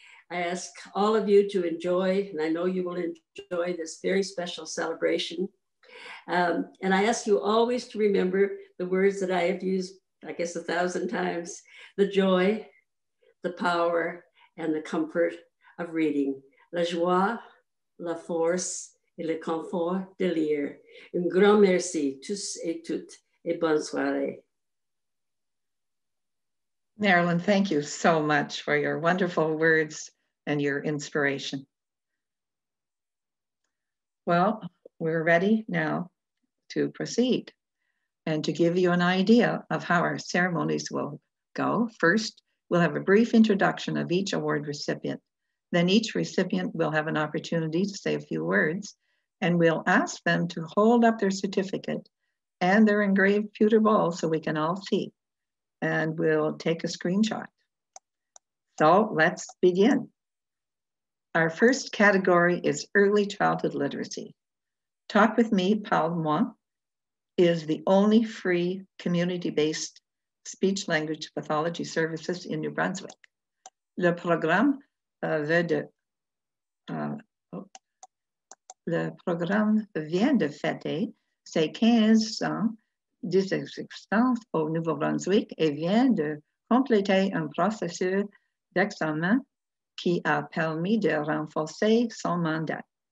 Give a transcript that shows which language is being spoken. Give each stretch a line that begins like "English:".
English: I ask all of you to enjoy, and I know you will enjoy this very special celebration. And I ask you always to remember the words that I have used, I guess, 1,000 times, the joy, the power, and the comfort of reading.
French: La joie, la force, et le confort de lire. Un grand merci, tous et toutes, et bonne soirée.
English: Marilyn, thank you so much for your wonderful words and your inspiration. Well, we're ready now to proceed. And to give you an idea of how our ceremonies will go, first, we'll have a brief introduction of each award recipient. Then each recipient will have an opportunity to say a few words, and we'll ask them to hold up their certificate and their engraved pewter bowl so we can all see. And we'll take a screenshot. So let's begin. Our first category is early childhood literacy. Talk With Me, Parle Moi, is the only free community-based speech language pathology services in New Brunswick.
French: Le programme vient de fêter ses 15 ans d'existence au Nouveau-Brunswick et vient de compléter un processus d'examen qui a permis de renforcer son mandat.